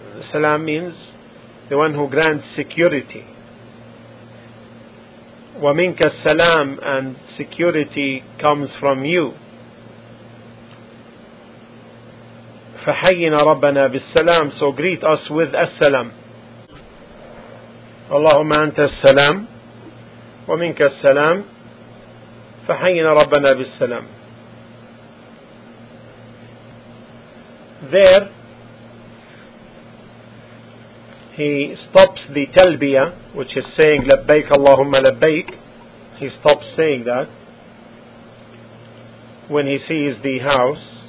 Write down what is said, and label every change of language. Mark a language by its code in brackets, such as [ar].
[en] Salam means the one who grants security. [ar] وَمِنْكَ السَّلَامُ, [en] and security comes from you. [ar] فَحَيِّنَا رَبَّنَا بِالسَّلَامُ, [en] so greet us with السَّلَامُ. [ar] اللهم أنت السلام ومنك السلام فَحَيِّنَا رَبَّنَا بِالسَّلَامُ. [en] There he stops the talbiya, which is saying [ar] لبيك اللهم لبيك. [en] He stops saying that when he sees the house.